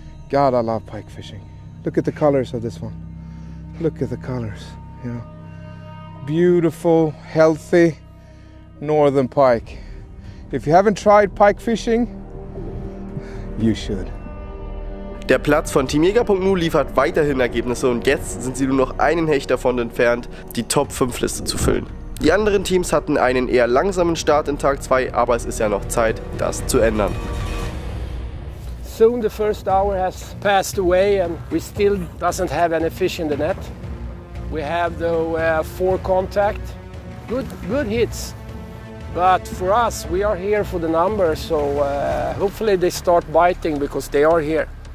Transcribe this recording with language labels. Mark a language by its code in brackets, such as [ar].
[en] God, I love pike fishing. Look at the colors of this one. Look at the colors, you know. Beautiful, healthy northern pike. If you haven't tried pike fishing, you should. [de] Der Platz von Teamjäger.nu liefert weiterhin Ergebnisse und jetzt sind sie nur noch einen Hecht davon entfernt, die Top 5 Liste zu füllen. Die anderen Teams hatten einen eher langsamen Start in Tag 2, aber es ist ja noch Zeit, das zu ändern. [en] Soon the first hour has passed away and we still doesn't have any fish in the net. We have four contact, good hits. But for us, we are here for the numbers, so hopefully they start biting because they are here.